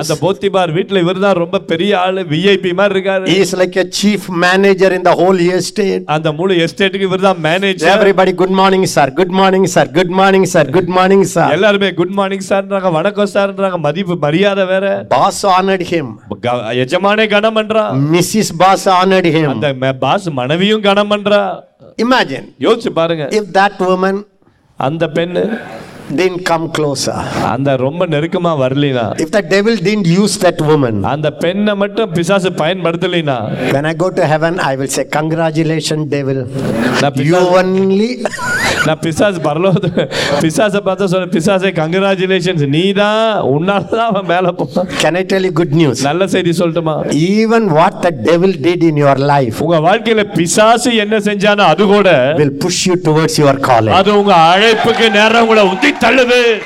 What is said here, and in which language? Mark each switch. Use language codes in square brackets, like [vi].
[ta] அந்த போத்திபார் வீட்ல இவர்தான் ரொம்ப பெரிய ஆளு, VIP மாதிரி இருக்காரு. [en] He is like a chief manager in the whole estate. [ta] அந்த முழு எஸ்டேட்டுக்கு இவர்தான் manager. [en] Everybody good morning sir, good morning sir, good morning sir, good morning sir. [ta] எல்லாரும் [en] good morning sir [ta] ன்றாங்க, வணக்கம் sirன்றாங்க, மதிப்பு மரியாதை வேற. [en] Boss honored him. [ta] எஜமானே கணம் பண்றா. [en] Mrs. Boss honored him. [ta] அந்த பாஸ் மனைவியும் கணம் பண்றா. [en] Imagine. [ta] யோசிச்சு பாருங்க. [en] If that woman [ta] அந்த பெண்ணு [en] didn't come closer, [ta] அந்த ரொம்ப நெருக்கமா வரலினா, [en] if the devil didn't use that woman, [ta] அந்த பெண்ணை மட்டும் பிசாசு பயன்படுத்தலினா, [en] when I go to heaven I will say congratulations devil, you only [ta] நா பிசாஸ் பரலோ பிசாஸ் பார்த்தா சொல்ல பிசாஸே கங்கராஜுலேஷன்ஸ், நீதான் உன்னாலதான் மேல போ. [en] Can I tell you good news? [ta] நல்ல செய்தி சொல்லட்டுமா? [en] Even what the devil did in your life, [ta] உங்க வாழ்க்கையில பிசாசு என்ன செஞ்சானோ அது கூட [en] will push you towards your calling. [ta] அது உங்க அழைப்புக்கு நேரம் கூட உத்தி தள்ளுது.